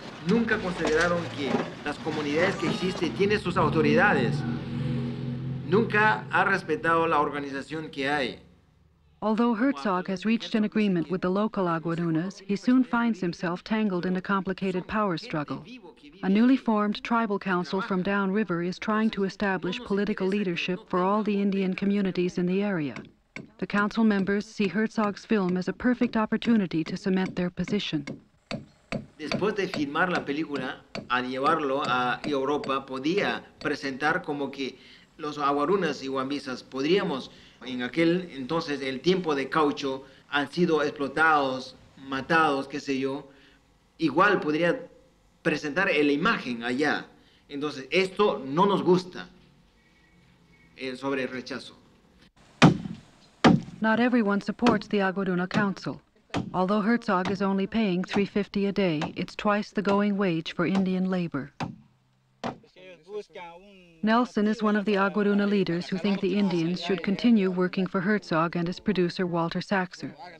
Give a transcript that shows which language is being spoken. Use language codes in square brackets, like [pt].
[es] nunca consideraron que las comunidades que existen tienen sus autoridades. Nunca ha respetado la organización que hay. [en] Although Herzog has reached an agreement with the local Aguarunas, he soon finds himself tangled in a complicated power struggle. A newly formed tribal council from downriver is trying to establish political leadership for all the Indian communities in the area. The council members see Herzog's film as a perfect opportunity to cement their position. [es] Después de filmar la película, al llevarlo a Europa, podía presentar como que los Aguarunas y Wambisas podríamos, en aquel entonces, el tiempo de caucho, han sido explotados, matados, qué sé yo, igual podría presentar la imagen allá. Entonces, esto no nos gusta, sobre el rechazo. [en] Not everyone supports the Aguaruna Council. Although Herzog is only paying $3.50 a day, it's twice the going wage for Indian labor. Nelson is one of the Aguaruna leaders who think the Indians should continue working for Herzog and his producer Walter Saxer.